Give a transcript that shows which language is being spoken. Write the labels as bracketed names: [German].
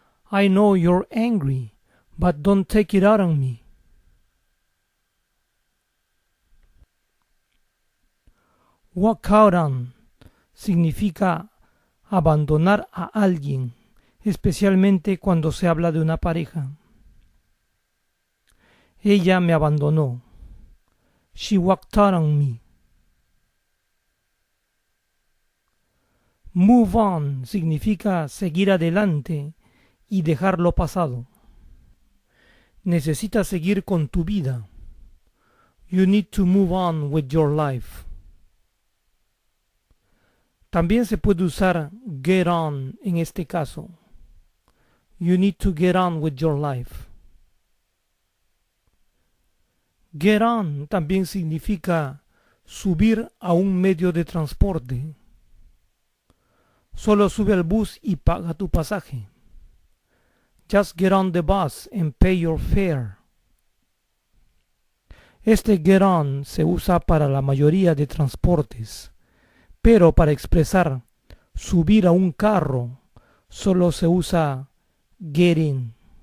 [English] I know you're angry, but don't take it out on me. [Spanish] Walk out on significa abandonar a alguien, especialmente cuando se habla de una pareja. Ella me abandonó. [English] She walked out on me. [Spanish] Move on significa seguir adelante y dejar lo pasado. Necesitas seguir con tu vida. [English] You need to move on with your life. [Spanish] También se puede usar get on en este caso. [English] You need to get on with your life. [Spanish] Get on también significa subir a un medio de transporte. Solo sube al bus y paga tu pasaje. [English] Just get on the bus and pay your fare. [Spanish] Este get on se usa para la mayoría de transportes, pero para expresar subir a un carro, solo se usa get in.